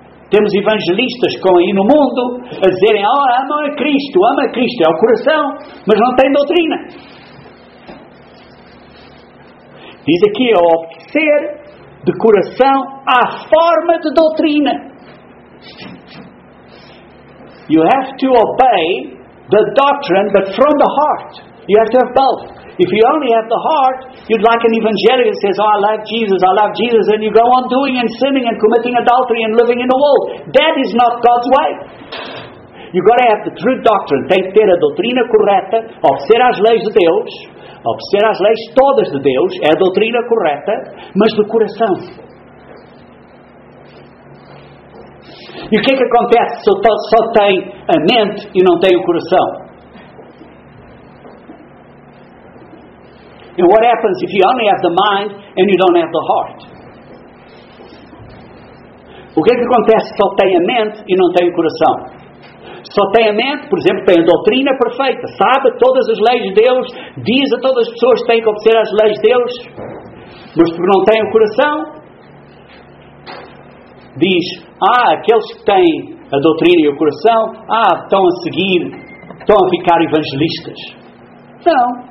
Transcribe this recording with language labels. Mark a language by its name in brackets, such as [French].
[Portuguese] Temos evangelistas com aí no mundo a dizerem, oh, ama a Cristo, é o coração, mas não tem doutrina. Diz aqui, é obedecer de coração à forma de doutrina. [English] You have to obey the doctrine, but from the heart. You have to have both. If you only have the heart, you'd like an evangelist who says, oh, I love Jesus, and you go on doing and sinning and committing adultery and living in the world. That is not God's way. You've got to have the true doctrine. [Portuguese] Tem que ter a doutrina correta, obedecer às leis de Deus, obedecer às leis todas de Deus, é a doutrina correta, mas do coração. E o que é que acontece se só tem a mente e não tem o coração? [English] And what happens if you only have the mind and you don't have the heart? [Portuguese] O que é que acontece se só tem a mente e não tem o coração? Só tem a mente, por exemplo, tem a doutrina perfeita, sabe todas as leis de Deus, diz a todas as pessoas que têm que obedecer às leis de Deus, mas porque não tem o coração, diz, aqueles que têm a doutrina e o coração, estão a ficar evangelistas. Não.